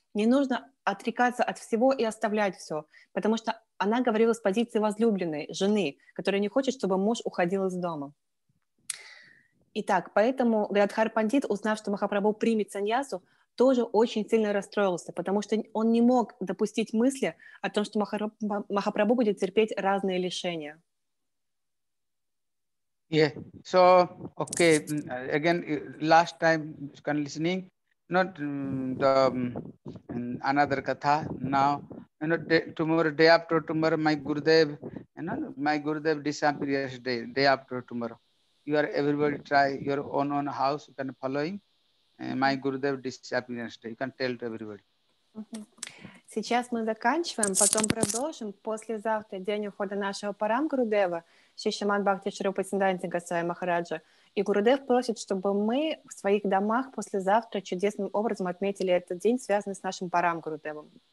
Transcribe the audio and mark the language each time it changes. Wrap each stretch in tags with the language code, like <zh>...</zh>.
<ru>не нужно отрекаться от всего и оставлять все, потому что она говорила с позиции возлюбленной, жены, которая не хочет, чтобы муж уходил из дома. Итак, поэтому Гадхар Пандит, узнав, что Махапрабху примет саньясу, тоже очень сильно расстроился, потому что он не мог допустить мысли о том, что Махапрабху будет терпеть разные лишения.</ru> <en>Yeah, so, okay, again, last time, you can listening, not the another katha now, you know, tomorrow, day after tomorrow, my Gurudev, you know, my Gurudev disappears day after tomorrow. You are everybody try your own house, you can follow him. My Gurudev disappears day, you can tell to everybody.</en> <ru>Сейчас мы заканчиваем, потом продолжим. Послезавтра день ухода нашего Парам Гурудева, Шишаман Бхакти Шрупа Синданти Гасвами Махараджа. И Гурудев просит, чтобы мы в своих домах послезавтра чудесным образом отметили этот день, связанный с нашим Парам Гурудевом.</ru>